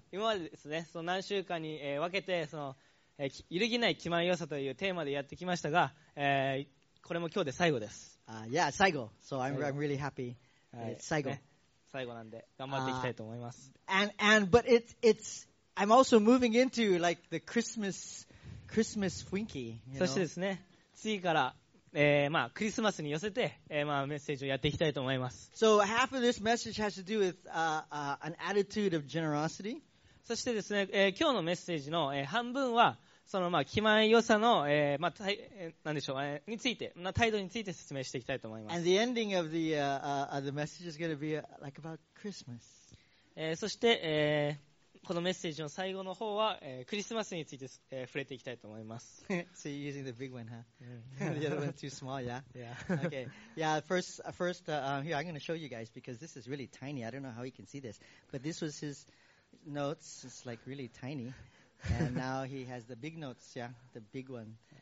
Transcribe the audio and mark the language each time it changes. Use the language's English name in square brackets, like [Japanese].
[Japanese] 今までですね、その何週間に分けてその。揺るぎない気前良さというテーマでやってきましたが、これも今日で最後です。 [English] Yeah, [Japanese] 最後。 [English] So I'm really happy. 最後。 [Japanese] 最後なんで頑張っていきたいと思います。 [English] And but it's I'm also moving into like the Christmas [Japanese] 雰囲気。そしてですね、次から、まあクリスマスに寄せて、まあメッセージをやっていきたいと思います。 [English] So half of this message has to do with an attitude of generosity. [Japanese] そしてですね、今日のメッセージの、半分はそのまあ気前良さの、まあ何でしょう、について、まあ、態度について説明していきたいと思います。 [English] And the ending of the message is going to be like about Christmas. [Japanese] そして、このメッセージの最後の方は、クリスマスについて、触れていきたいと思います。 [English] So you're using the big one, huh? The other one too small, yeah? Yeah. Okay. Yeah. First, here I'm going to show you guys because this is really tiny. I don't know how you can see this, but this was his. Notes, it's like really tiny, and now he has the big notes, yeah, the big one.